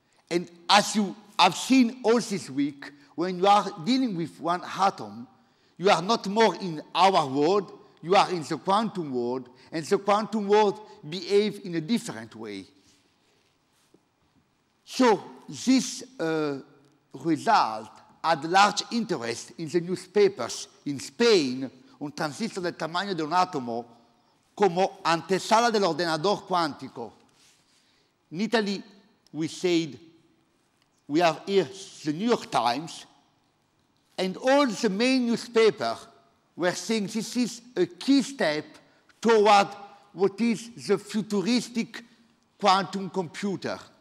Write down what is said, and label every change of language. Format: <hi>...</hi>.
<en>And as you have seen all this week, when you are dealing with one atom, you are not more in our world, you are in the quantum world, and the quantum world behaves in a different way. So this result had large interest in the newspapers. In Spain,</en> <es>un transistor del tamaño de un atomo como antesala del ordenador cuántico.</es> <en>In Italy, we said, we have here the New York Times, and all the main newspapers were saying this is a key step toward what is the futuristic quantum computer.</en>